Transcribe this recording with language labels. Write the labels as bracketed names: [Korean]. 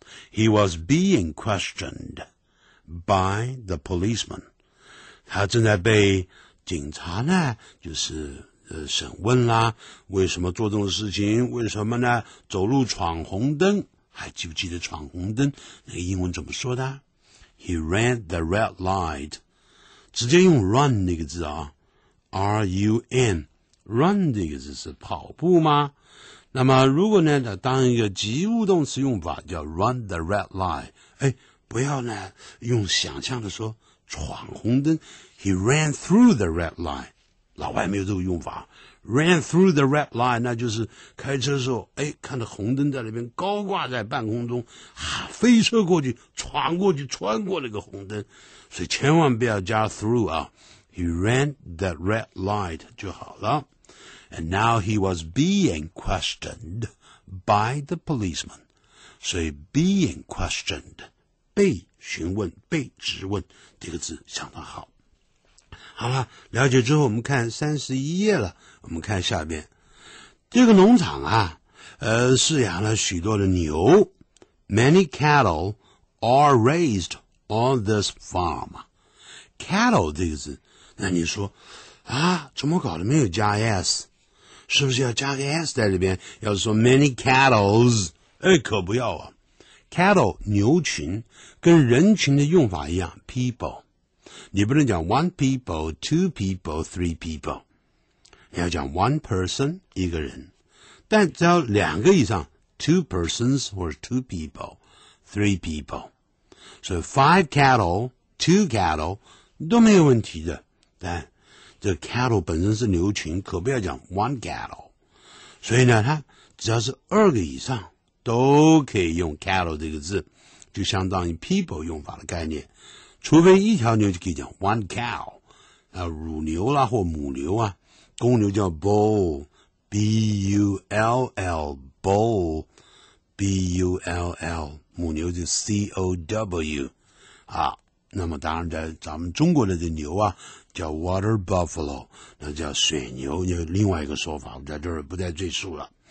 [English] He was being questioned by the policeman， [Chinese] 他正在被警察呢就是审问啦，为什么做这种事情，为什么呢，走路闯红灯，还记不记得闯红灯那个英文怎么说的？ [English] He ran the red light， [Chinese] 直接用 run 那个字啊， R-U-N， run 这个字是跑步吗？那么如果呢当一个及物动词用法叫 run the red light， 不要呢用想象的说闯红灯， [English] He ran through the red light， [Chinese] 老外没有这个用法。 [English] Ran through the red line [Chinese] 那就是开车的时候看到红灯在那边高挂在半空中，飞车过去闯过去穿过那个红灯，所以千万不要加 through 啊， [English] He ran the red light [Chinese] 就好了。 [English] And now he was being questioned by the policeman， [Chinese] 所以 being questioned 被询问被质问这个字相当好。好了，了解之后我们看31页了，我们看下边。这个农场啊饲养了许多的牛。 [English] Many cattle are raised on this farm. [Chinese] Cattle 这个字，那你说啊怎么搞的没有加 S， 是不是要加个 S 在里边，要说 many cattles， 可不要啊。 Cattle 牛群跟人群的用法一样， people。你不能讲 one people, two people, three people， 你要讲 one person 一个人，但只要两个以上 two persons 或者 two people, three people， 所以 [English] five cattle, two cattle [Chinese] 都没有问题的。但这 cattle 本身是牛群，可不要讲 one cattle。所以呢，它只要是二个以上，都可以用 cattle 这个字，就相当于 people 用法的概念。除非一条牛就可以讲 one cow， 啊，乳牛啦或母牛啊，公牛叫 bull，bull，bull， 母牛就 cow， 啊，那么当然在咱们中国的这牛啊，叫 water buffalo， 那叫水牛，有另外一个说法，我在这儿不再赘述了。